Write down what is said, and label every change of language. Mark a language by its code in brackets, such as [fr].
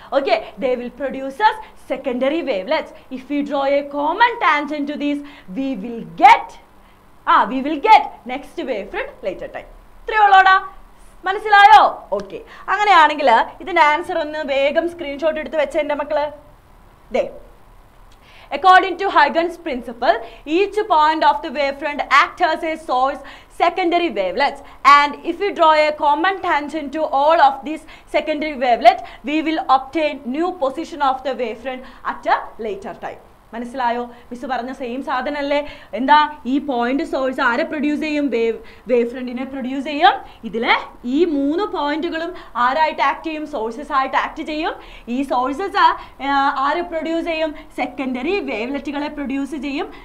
[en] Okay, they will produces secondary wavelets. If you draw a common tangent to these, we will get next wave front later time. [ml] ഇത്രയുള്ളോടാ, മനസ്സിലായോ? Okay, അങ്ങനെയാണെങ്കിൽ ഇതിൻ്റെ answer ഒന്ന് വേഗം screenshot എടുത്ത് വെച്ചേ എൻ്റെ മക്കള്. [en] ദേ According to Huygens' principle, each point of the wavefront acts as a source secondary wavelets, and if we draw a common tangent to all of these secondary wavelets, we will obtain new position of the wavefront at a later time. [ml] മനസ്സിലായോ? Miss പറഞ്ഞ same സാധനമല്ലേ? എന്താ ഈ point source ആരെ produce ചെയ്യും? Wave ഫ്രണ്ടിനെ produce ചെയ്യും. ഇതിലെ ഈ മൂന്ന് പോയിന്റുകളും ആരായിട്ട് ആക്ട് ചെയ്യും? സോഴ്സസ് ആയിട്ട് ആക്ട് ചെയ്യും. ഈ സോഴ്സസ് ആരെ പ്രൊഡ്യൂസ് ചെയ്യും? സെക്കൻഡറി വേവ്ലെറ്റുകളെ പ്രൊഡ്യൂസ് ചെയ്യും.